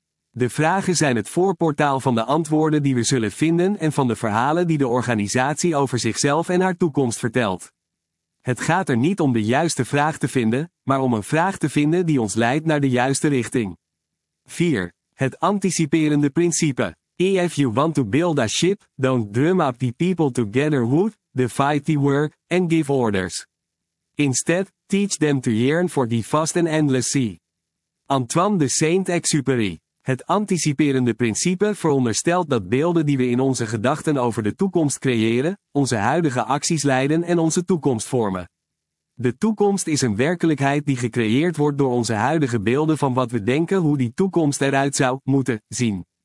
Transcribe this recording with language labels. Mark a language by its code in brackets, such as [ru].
[nl] De vragen zijn het voorportaal van de antwoorden die we zullen vinden en van de verhalen die de organisatie over zichzelf en haar toekomst vertelt. Het gaat er niet om de juiste vraag te vinden, maar om een vraag te vinden die ons leidt naar de juiste richting. 4. Het anticiperende principe. [en] If you want to build a ship, don't drum up the people together who divide the work and give orders. Instead, teach them to yearn for the vast and endless sea. Antoine de Saint-Exupéry. [nl] Het anticiperende principe veronderstelt dat beelden die we in onze gedachten over de toekomst creëren, onze huidige acties leiden en onze toekomst vormen. De toekomst is een werkelijkheid die gecreëerd wordt door onze huidige beelden van wat we denken hoe die toekomst eruit zou moeten zien.